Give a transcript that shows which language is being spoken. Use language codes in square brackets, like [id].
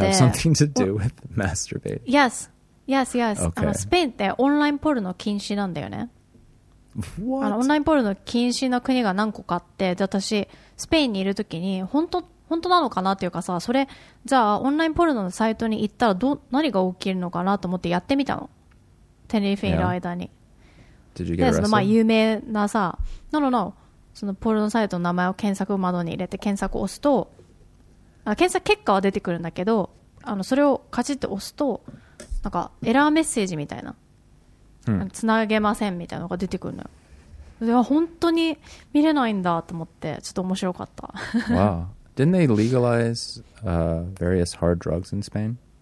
[en] Does this have something to do with masturbate? Yes, yes, yes. Okay. [ja] スペインってオンラインポルノ禁止なんだよね。 [en] What? [ja] オンラインポルノ禁止の国が何個かあって、で私スペインにいるときに本当なのかなっていうかさ、それじゃあオンラインポルノのサイトに行ったら何が起きるのかなと思ってやってみたの。テネリフェにいる間に。 [en] Yeah. Did you get arrested? [ja] 有名なさ、 [en] No. [ja] そのポルノサイトの名前を検索窓に入れて検索を押すと、検索結果は出てくるんだけど、それをカチッと押すと、なんかエラーメッセージみたいな、つなげませんみたいなのが出てくるのよ。で、本当に見れないんだと思って、ちょっと面白かった。 [en] Wow. Didn't they legalize various hard drugs in Spain?